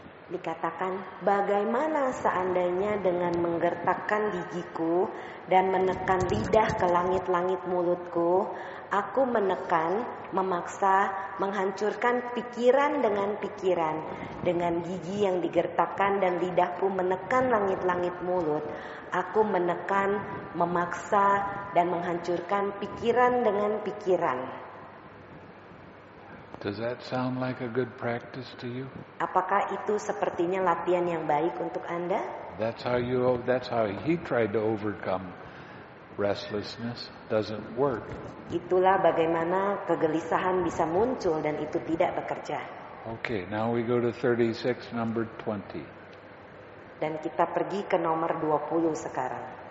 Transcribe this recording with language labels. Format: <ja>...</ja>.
<id>Mm. Dikatakan, bagaimana seandainya dengan menggertakkan gigiku dan menekan lidah ke langit-langit mulutku, aku menekan, memaksa, menghancurkan pikiran dengan pikiran. Dengan gigi yang digertakkan dan lidahku menekan langit-langit mulut, aku menekan, memaksa, dan menghancurkan pikiran dengan pikiran.</id> <en>Does that sound like a good practice to you?</en> <id>Apakah itu sepertinya latihan yang baik untuk Anda?</id> <en>That's how he tried to overcome restlessness. Doesn't work.</en> <id>Itulah bagaimana kegelisahan bisa muncul dan itu tidak bekerja.</id> <en>Okay, now we go to 36, number 20.</en> <id>Dan kita pergi ke nomor 20 sekarang.</id>